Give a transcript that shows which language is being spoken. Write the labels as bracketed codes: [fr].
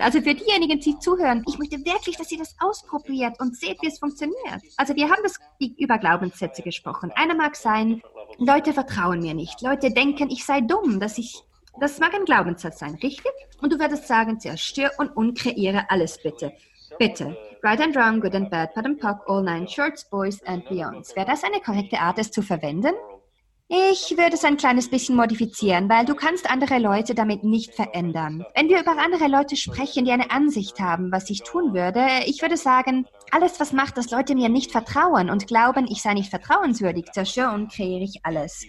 [de] Also für diejenigen, die zuhören, ich möchte wirklich, dass ihr das ausprobiert und seht, wie es funktioniert. Also wir haben das über Glaubenssätze gesprochen. Einer mag sein, Leute vertrauen mir nicht. Leute denken, ich sei dumm, dass ich... Das mag ein Glaubenssatz sein, richtig? Und du würdest sagen, zerstör und unkreiere alles bitte. Bitte. [en] Right and wrong, good and bad, pot and pock, all 9 shorts, boys and beyonds. [de] Wäre das eine korrekte Art, es zu verwenden? Ich würde es ein kleines bisschen modifizieren, weil du kannst andere Leute damit nicht verändern. Wenn wir über andere Leute sprechen, die eine Ansicht haben, was ich tun würde, ich würde sagen, alles, was macht, dass Leute mir nicht vertrauen und glauben, ich sei nicht vertrauenswürdig, zerstöre und kreiere ich alles.